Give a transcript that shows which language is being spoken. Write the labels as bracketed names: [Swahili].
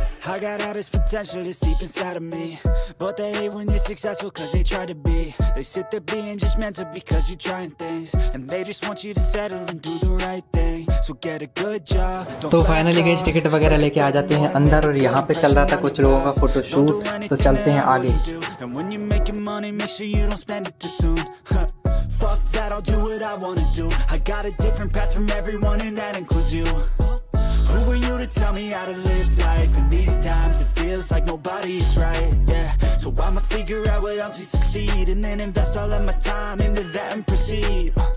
[English] I got all this potential, it's deep inside of me. But they hate when you're successful cause they try to be. They sit there being judgmental because you're trying things. And they just want you to settle and do the right thing. So get a good job. [Hindi] तो finally guys ticket वगैरह लेके आ जाते हैं अंदर, और यहाँ पे चल रहा था कुछ लोगों का फोटो शूट, तो चलते हैं आगे। [English] And when you're making money, make sure you don't spend it too soon. Fuck that, I'll do what I wanna do. I got a different path from everyone and that includes you. Who are you to tell me how to live life? In these times it feels like nobody's right, yeah. So I'ma figure out what else we succeed, and then invest all of my time into that and proceed.